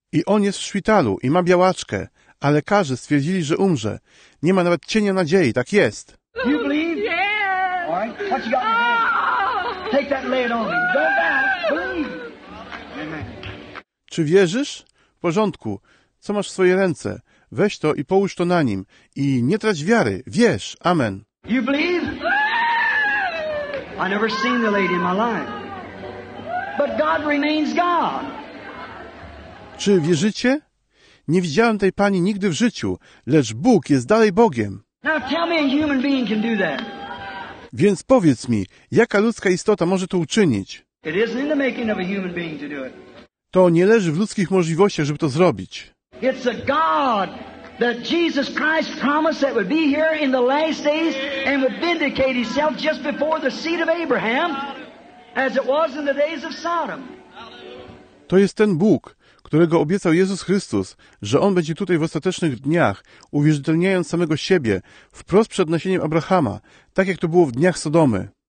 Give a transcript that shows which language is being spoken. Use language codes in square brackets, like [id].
[pl] I on jest w szpitalu i ma białaczkę. A lekarze stwierdzili, że umrze. Nie ma nawet cienia nadziei. Tak jest. [en] You believe? Yeah. All right. What you got in your hand? Take that and lay it on me. Go back. Believe. Amen. [pl] Czy wierzysz? W porządku. Co masz w swojej ręce? Weź to i połóż to na nim. I nie trać wiary. Wierz. Amen. [en] You believe? I never seen the lady in my life. But God remains God. [pl] Czy wierzycie? Nie widziałem tej pani nigdy w życiu, lecz Bóg jest dalej Bogiem. [en] Now tell me a human being can do that. [pl] Więc powiedz mi, jaka ludzka istota może to uczynić? [en] It isn't in the making of a human being to do it. [pl] To nie leży w ludzkich możliwościach, żeby to zrobić. [en] It's a God that Jesus Christ promised that would be here in the last days and would vindicate himself just before the seed of Abraham as it was in the days of Sodom. [pl] To jest ten Bóg, którego obiecał Jezus Chrystus, że On będzie tutaj w ostatecznych dniach, uwierzytelniając samego siebie, wprost przed nasieniem Abrahama, tak jak to było w dniach Sodomy.